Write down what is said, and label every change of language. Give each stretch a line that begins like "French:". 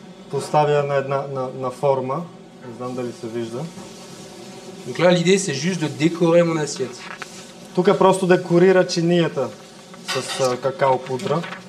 Bulgarian: Поставя на една на форма. Не знам дали се вижда.
French: Donc là, l'idée, c'est juste de décorer mon assiette.
Bulgarian: Тук просто декорира чинията с какао пудра.